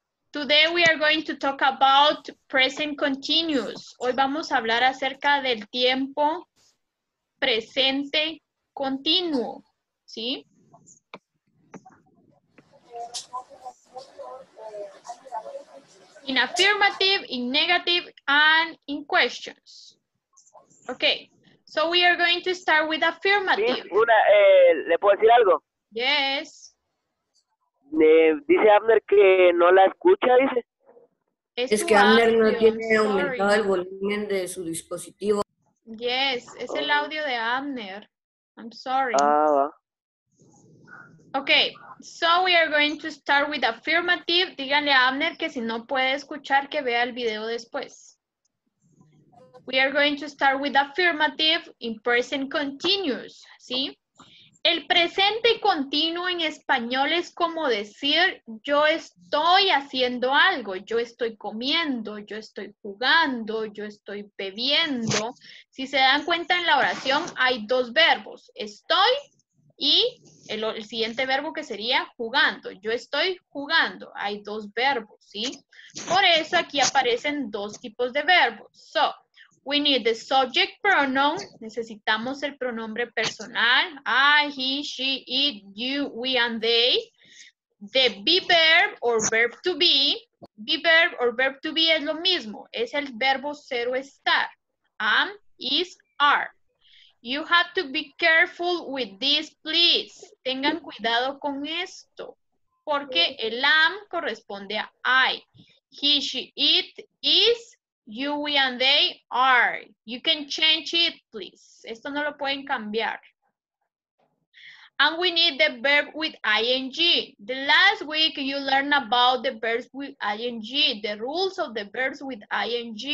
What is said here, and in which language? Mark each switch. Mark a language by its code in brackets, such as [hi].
[en] Today we are going to talk about present continuous. [es] Hoy vamos a hablar acerca del tiempo presente continuo, ¿sí? [en] In affirmative, in negative, and in questions. Okay. So we are going to start with affirmative. [es] ¿Le puedo decir algo? [en] Yes. [es] Dice Abner que no la escucha, dice. Es que Abner no tiene aumentado el volumen de su dispositivo. [en] Yes, [es] es el audio de Abner. [en] I'm sorry. [es] Ah, va. [en] Okay, so we are going to start with affirmative. [es] Díganle a Abner que si no puede escuchar, que vea el video después. [en] We are going to start with affirmative in present continuous, ¿sí? [es] El presente continuo en español es como decir yo estoy haciendo algo, yo estoy comiendo, yo estoy jugando, yo estoy bebiendo. Si se dan cuenta en la oración hay dos verbos, estoy y el siguiente verbo que sería jugando. Yo estoy jugando, hay dos verbos, ¿sí? Por eso aquí aparecen dos tipos de verbos. [en] So, we need the subject pronoun, [es] necesitamos el pronombre personal, [en] I, he, she, it, you, we, and they. The be verb or verb to be verb or verb to be [es] es lo mismo, es el verbo ser o estar, [en] am, is, are. You have to be careful with this, please. [es] Tengan cuidado con esto, porque el am corresponde a I. [en] He, she, it, is, you, we, and they are. You can change it, please. [es] Esto no lo pueden cambiar. [en] And we need the verb with ing. The last week you learned about the verbs with ing, the rules of the verbs with ing.